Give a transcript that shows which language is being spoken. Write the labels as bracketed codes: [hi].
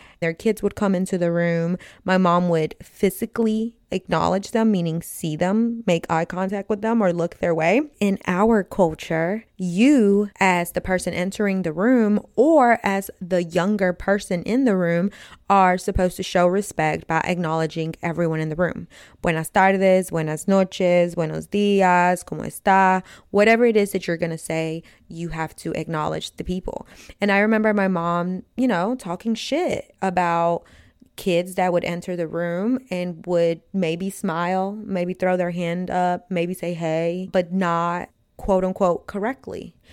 [en] Their kids would come into the room. My mom would physically acknowledge them, meaning see them, make eye contact with them, or look their way. In our culture, you as the person entering the room or as the younger person in the room are supposed to show respect by acknowledging everyone in the room. [es] Buenas tardes, buenas noches, buenos días, ¿cómo está? [en] Whatever it is that you're going to say, you have to acknowledge the people. And I remember my mom, you know, talking shit about kids that would enter the room and would maybe smile, maybe throw their hand up, maybe say hey, but not quote unquote correctly.